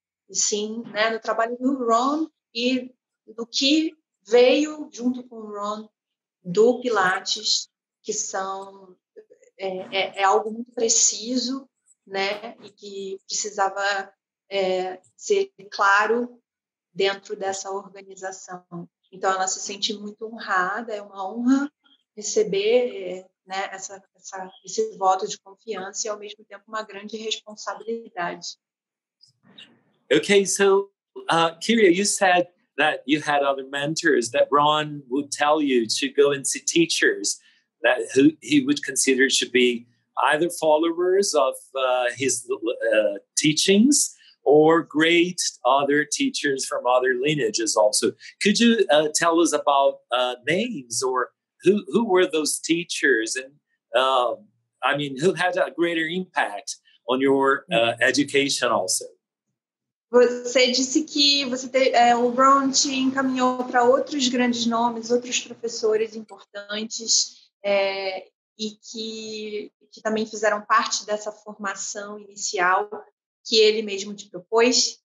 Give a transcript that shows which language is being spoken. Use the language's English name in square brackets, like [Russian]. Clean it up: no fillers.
[Portuguese] E sim, né, no trabalho do Ron e do que veio junto com o Ron do Pilates, que são algo muito preciso, né, e que precisava ser claro dentro dessa organização. Então, ela se sente muito honrada, é uma honra receber né, esse voto de confiança e, ao mesmo tempo, uma grande responsabilidade. [English] Okay, so, Kiria, you said that you had other mentors, that Ron would tell you to go and see teachers that he would consider to be either followers of his teachings or great other teachers from other lineages also. Could you tell us about names or who were those teachers, and I mean, who had a greater impact on your education also. [Portuguese] Você disse que você o Ron te encaminhou para outros grandes nomes, outros professores importantes, e que também fizeram parte dessa formação inicial que ele mesmo te propôs.